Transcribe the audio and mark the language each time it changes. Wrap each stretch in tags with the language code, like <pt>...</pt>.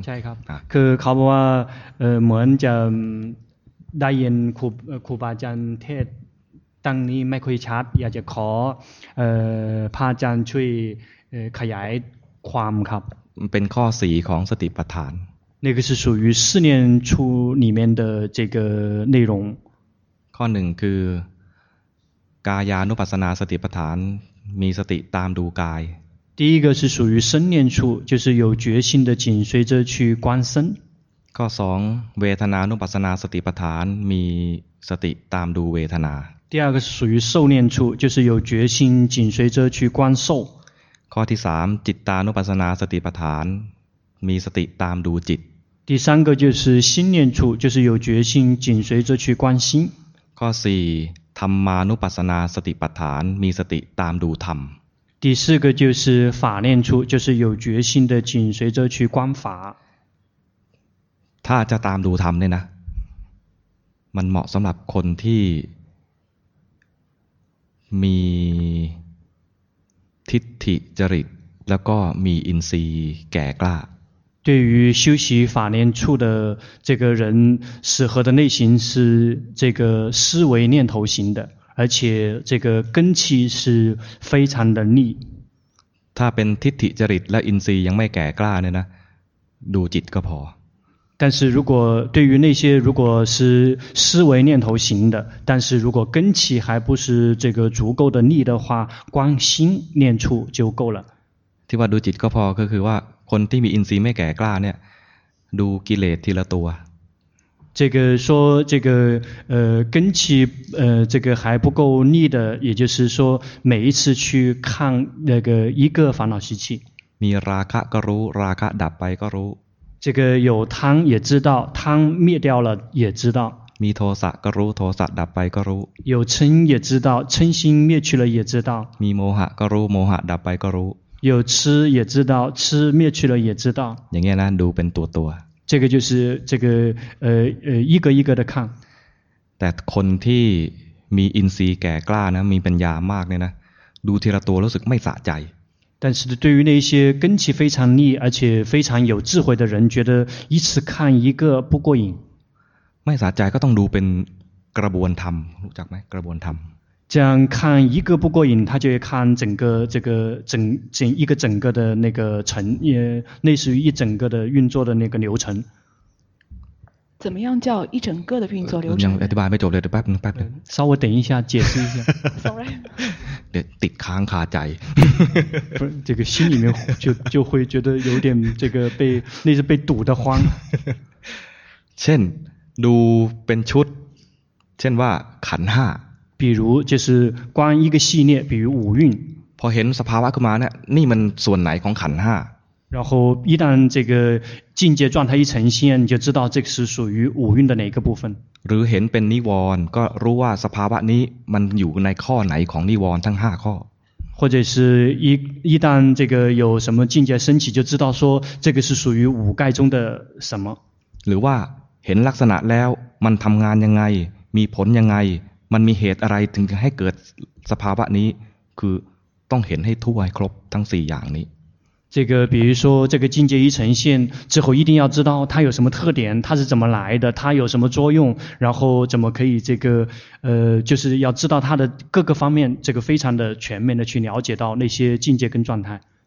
<th>ใช่ครับคือเขาบอกว่าเหมือนจะได้ยินครูบาอาจารย์เทศตั้งนี้ไม่ค่อยชัดอยากจะขอพระอาจารย์ช่วยขยายความครับ เป็นข้อสี่ของสติปัฏฐาน</th> <zh>那个是属于四念处里面的这个内容</zh> <th>ข้อหนึ่งคือกายานุปัสสนาสติปัฏฐานมีสติตามดูกาย</th> <zh>第一个是属于身念处，就是有决心的紧随着去观身。</zh> <th>ข้อสองเวทนานุปัสสนาสติปัฏฐานมีสติตามดูเวทนา。</th> <zh>第二个是属于受念处，就是有决心紧随着去观受。</zh> <th>ข้อที่สามจิตตานุปัสสนาสติปัฏฐานมีสติตามดูจิต。</th> <zh>第三个就是心念处，就是有决心紧随着去观心。</zh> <th>ข้อสี่ธรรมานุปัสสนาสติปัฏฐานมีสติตามดูธรรม。</th> <zh>第四个就是法念处，就是有决心的紧随着去观法。</zh> <th>ถ้าจะตามดูธรรมเนี่ยนะมันเหมาะสำหรับคนที่มีทิฏฐิจริตแล้วก็มีอินทรีย์แก่กล้า</th> <zh>对于修习法念处的这个人适合的类型是这个思维念头型的而且这个根气是非常的利</zh> <th>ถ้าเป็นทิฏฐิจริตและอินทรีย์ยังไม่แก่กล้าเนี่ยนะดูจิตก็พ</th> <zh>อ但是如果对于那些如果是思维念头型的但是如果根气还不是这个足够的利的话光心念处就够了</zh> <th>ที่ว่าดูจิตก็พอก็คือว่าคนที่มีอินทรีย์ไม่แก่กล้าเนี่ยดูกิเลสทีละตัว</th> <zh>这个说这个根气这个还不够力的，也就是说每一次去看那个一个烦恼习气。</zh> <th>มีราคะก็รู้ราคะดับไปก็รู้</th> <zh>这个有贪也知道贪灭掉了也知道</zh> <th>มีโทสะก็รู้โทสะดับไปก็รู้</th> <zh>有嗔也知道嗔心灭去了也知道</zh> <th>มีโมหะก็รู้โมหะดับไปก็รู้</th> <zh>有痴也知道痴灭去了也知道</zh> <th>อย่างเงี้ยนะดูเป็นตัวตัว</th> <zh>这个就是这个一个一个的看</zh> <th>แต่คนที่มีอินทรีย์แก่กล้านะมีปัญญามากเนี่ยนะดูทีละตัวรู้สึกไม่สะใจ</th> <zh>但是对于那些根气非常利而且非常有智慧的人觉得一次看一个不过瘾</zh> <th>ไม่สะใจก็ต้องดูเป็นกระบวนธรรมรู้จักไหมกระบวนธรรม</th> <zh>这样看一个不过瘾他就会看整个这个整整一个整个的那个程也类似于一整个的运作的那个流程怎么样叫一整个的运作流程怎么样还没走了拜拜拜稍微等一下解释一下</zh> <en>sorry</en> <zh>得看看在这个心里面就会觉得有点这个被那是被堵得慌像读</zh> <th>เป็นชุด</th> <zh>像</zh> <th>ว่าขันห้า</th> <zh>比如就是关一个系列比如五蕴</zh> <th>พอเห็นสภาวะขึ้นมาเนี่ยนี่มันส่วนไหนของขันห้า</th> <zh>然后一旦这个境界状态一呈现就知道这个是属于五蕴的哪个部分</zh> <th>หรือเห็นเป็นนิวรณ์ก็รู้ว่าสภาวะนี้มันอยู่ในข้อไหนของนิวรณ์ทั้ง5ข้อ</th> <zh>或者是一旦这个有什么境界升起就知道说这个是属于五盖中的什么</zh> <th>หรือว่าเห็นลักษณะแล้วมันทำงานยังไงมีผลยังไงมันมีเหตุอะไรถึงให้เกิดสภาวะนี้คือต้องเห็นให้ทั่วให้ครบทั้ง4อย่างนี้</th> <zh>这个比如说这个境界一呈现之后一定要知道它有什么特点它是怎么来的它有什么作用然后怎么可以这个就是要知道它的各个方面这个非常的全面的去了解到那些境界跟状态</zh>